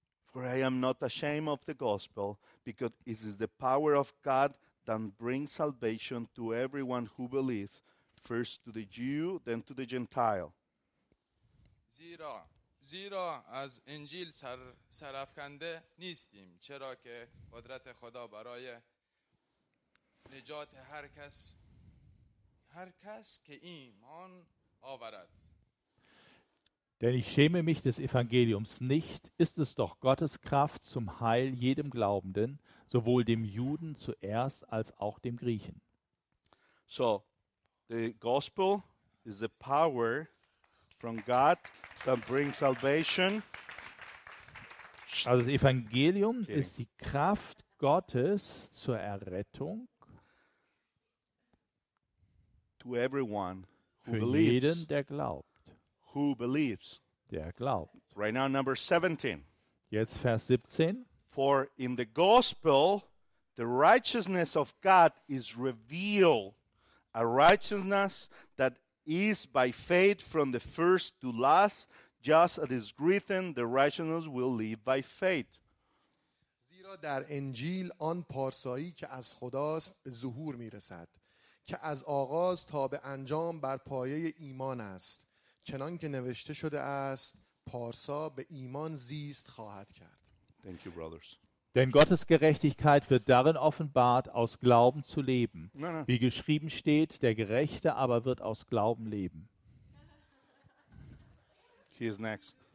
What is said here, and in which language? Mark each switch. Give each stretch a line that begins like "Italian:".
English: For I am not ashamed of the gospel, because it is the power of God that brings salvation to everyone who believes, first to the Jew, then to the Gentile.
Persian: زیرا از انجیل سرافکنده نیستیم چرا که قدرت خدا برای نجات هر کس که ایمان آورد.
German: Denn ich schäme mich des Evangeliums nicht, ist es doch Gottes Kraft zum Heil jedem Glaubenden, sowohl dem Juden zuerst als auch dem Griechen.
English: So, the gospel is the power from God that brings salvation.
German: Also das Evangelium ist die Kraft Gottes zur Errettung
English: to everyone who
German: für
English: believes,
German: jeden, der glaubt.
English: Who believes.
German: Der glaubt.
English: Right now, number 17.
German: Jetzt Vers 17.
English: For in the gospel, the righteousness of God is revealed, a righteousness that is by faith from the first to last, just as it is written, the righteous will live by faith.
Persian: زیرا در انجیل آن پارسایی که از خداست به ظهور میرسد که از آغاز تا به انجام بر پایه ایمان است چنان که نوشته شده است پارسا به ایمان زیست خواهد کرد.
English: Thank you, brothers.
German: Denn Gottes Gerechtigkeit wird darin offenbart, aus Glauben zu leben. Nein. Wie geschrieben steht, der Gerechte aber wird aus Glauben leben.
English: He is next.